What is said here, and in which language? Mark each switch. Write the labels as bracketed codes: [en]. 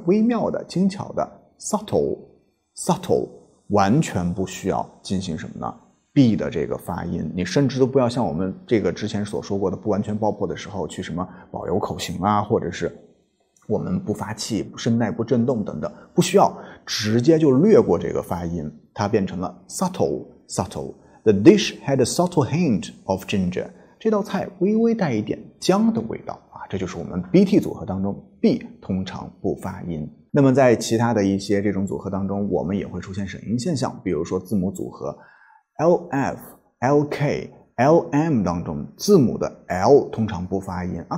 [zh] 微妙的、精巧的 ，subtle， 完全不需要进行什么呢 ？b 的这个发音，你甚至都不要像我们这个之前所说过的不完全爆破的时候去什么保留口型啊，或者是我们不发气、声带不震动等等，不需要，直接就略过这个发音，它变成了 subtle。 [en] The dish had a subtle hint of ginger。 [zh] 这道菜微微带一点姜的味道啊，这就是我们 BT 组合当中 B 通常不发音。那么在其他的一些这种组合当中，我们也会出现省音现象，比如说字母组合 LF、LK、LM 当中，字母的 L 通常不发音啊。